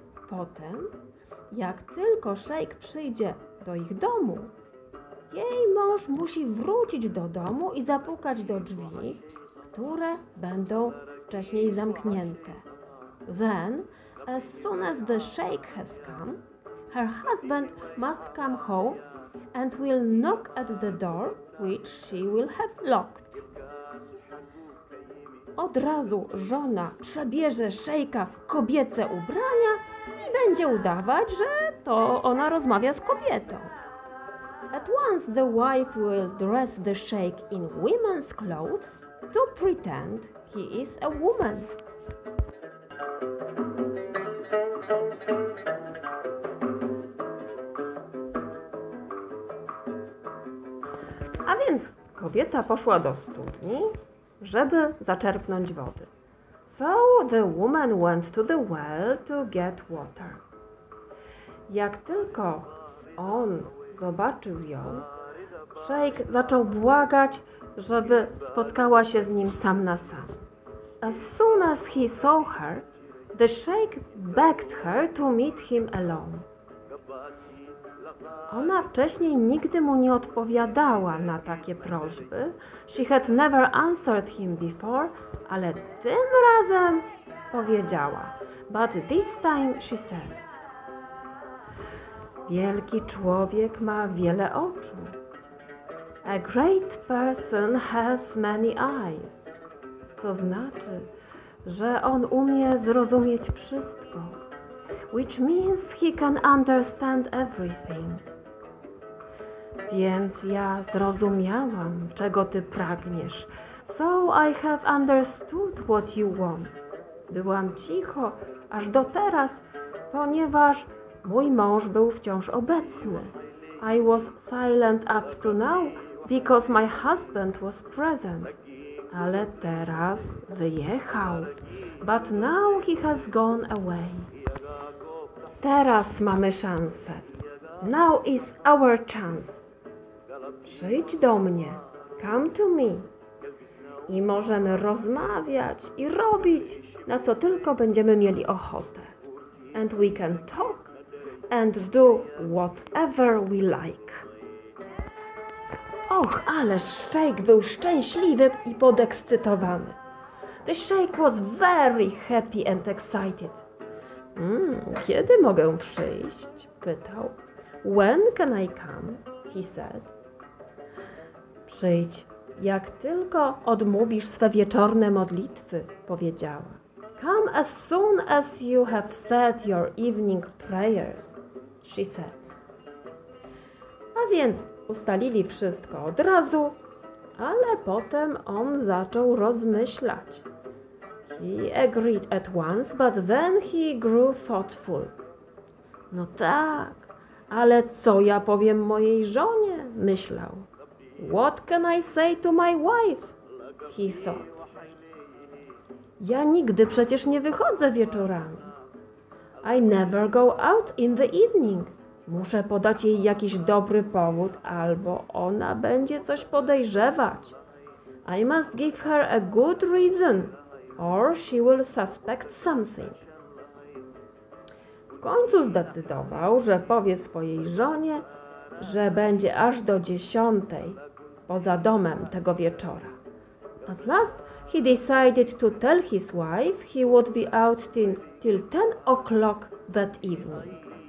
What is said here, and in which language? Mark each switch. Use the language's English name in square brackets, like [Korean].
[Polish] Potem, jak tylko szejk przyjdzie do ich domu, jej mąż musi wrócić do domu i zapukać do drzwi, które będą wcześniej zamknięte. [English] Then, as soon as the sheikh has come, her husband must come home and will knock at the door, which she will have locked. [Polish] Od razu żona przebierze szejka w kobiece ubrania i będzie udawać, że to ona rozmawia z kobietą. [English] At once the wife will dress the sheikh in women's clothes to pretend he is a woman. [Polish] A więc kobieta poszła do studni, żeby zaczerpnąć wody. [English] So the woman went to the well to get water. [Polish] Jak tylko on zobaczył ją, szejk zaczął błagać, żeby spotkała się z nim sam na sam. [English] As soon as he saw her, the sheikh begged her to meet him alone. [Polish] Ona wcześniej nigdy mu nie odpowiadała na takie prośby. [English] She had never answered him before, [Polish] ale tym razem powiedziała. [English] But this time she said. [Polish] Wielki człowiek ma wiele oczu. [English] A great person has many eyes. [Polish] Co znaczy, że on umie zrozumieć wszystko. [English] Which means he can understand everything. [Polish] Więc ja zrozumiałam, czego ty pragniesz. [English] So I have understood what you want. [Polish] Byłam cicho aż do teraz, ponieważ mój mąż był wciąż obecny. [English] I was silent up to now, because my husband was present. [Polish] Ale teraz wyjechał. [English] But now he has gone away. [Polish] Teraz mamy szansę. [English] Now is our chance. [Polish] Przyjdź do mnie. [English] Come to me. [Polish] I możemy rozmawiać i robić, na co tylko będziemy mieli ochotę. [English] And we can talk and do whatever we like. [Polish] Och, ale szejk był szczęśliwy i podekscytowany. [English] The sheikh was very happy and excited. [Polish] Kiedy mogę przyjść? Pytał. [English] When can I come? He said. [Polish] Przyjdź, jak tylko odmówisz swe wieczorne modlitwy, powiedziała. [English] Come as soon as you have said your evening prayers, she said. [Polish] A więc ustalili wszystko od razu, ale potem on zaczął rozmyślać. [English] He agreed at once, but then he grew thoughtful. [Polish] No tak, ale co ja powiem mojej żonie? Myślał. [English] What can I say to my wife? He thought. [Polish] Ja nigdy przecież nie wychodzę wieczorami. [English] I never go out in the evening. [Polish] Muszę podać jej jakiś dobry powód, albo ona będzie coś podejrzewać. [English] I must give her a good reason, or she will suspect something. [Polish] W końcu zdecydował, że powie swojej żonie, że będzie aż do 10:00 poza domem tego wieczora. [English] At last he decided to tell his wife he would be out till 10:00 that evening.